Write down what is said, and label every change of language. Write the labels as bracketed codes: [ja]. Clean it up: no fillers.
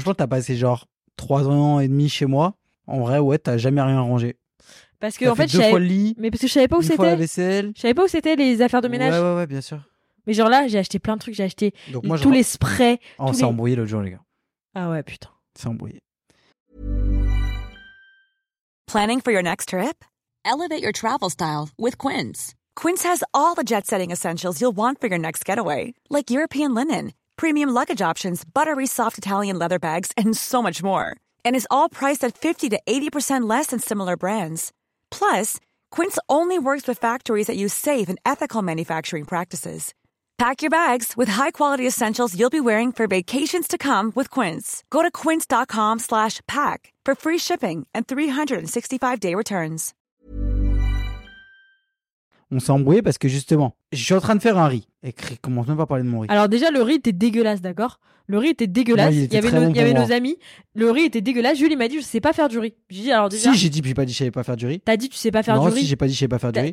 [fr] Franchement, t'as passé genre 3 ans et demi chez moi. En vrai, ouais, t'as jamais rien rangé. Parce que, en fait, parce que je savais pas où c'était. Une fois la vaisselle. Je savais pas où c'était les affaires de ménage. Ouais, ouais, ouais, bien sûr. Mais genre là, j'ai acheté plein de trucs. J'ai acheté tous les sprays. Oh, ça a embrouillé l'autre jour, les gars. Ah ouais, putain. Ça a embrouillé. [en] Planning for your next trip? Elevate your travel style with Quince. Quince has all the jet-setting essentials you'll want for your next getaway. Like European linen, premium luggage options, buttery soft Italian leather bags, and so much more. And it's all priced at 50 to 80% less than similar brands. Plus, Quince only works with factories that use safe and ethical manufacturing practices. Pack your bags with high-quality essentials you'll be wearing for vacations to come with Quince. Go to quince.com/pack for free shipping and 365-day returns. [fr] On s'est embrouillé parce que justement, je suis en train de faire un riz. Et Chris commence même pas à parler de mon riz. Alors déjà, le riz était dégueulasse, d'accord ? Le riz était dégueulasse. Ouais, il y avait nos amis. Le riz était dégueulasse. Julie m'a dit, je sais pas faire du riz. J'ai pas dit que je savais pas faire du riz. T'as dit, tu sais pas faire non, du si riz. Non, si j'ai pas dit, je savais pas faire du riz.